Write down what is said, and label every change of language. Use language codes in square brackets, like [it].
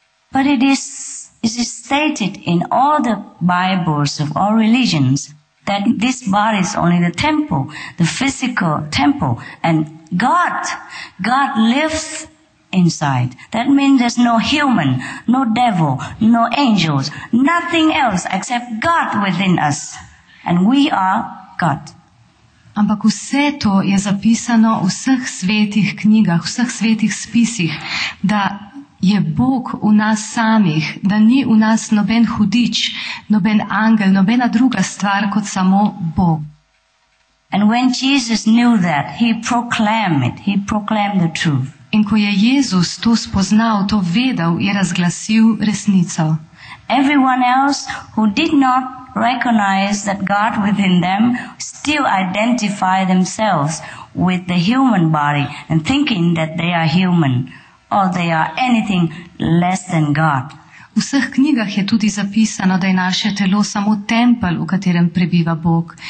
[en] But it is stated in all the Bibles of all religions that this body is only the temple, the physical temple, and God lives inside. That means there's no human, no devil, no angels, nothing else except God within us. And we are God. [sl] Ampak vse to je zapisano v vseh svetih knjigah, v vseh svetih spisih, da je Bog v nas samih, da ni v nas noben hudič, noben angel, nobena druga stvar kot samo Bog. [en] And when Jesus knew that, he proclaimed it, he proclaimed the truth. [sl] In ko je Jezus to spoznal, to vedel, je razglasil resnico. [en] Everyone else who did not recognize that God within them still identify themselves with the human body and thinking that they are human or they are anything less than God. [sl] V vseh knjigah je tudi zapisano, da je naše telo samo tempelj, v katerem prebiva Bog.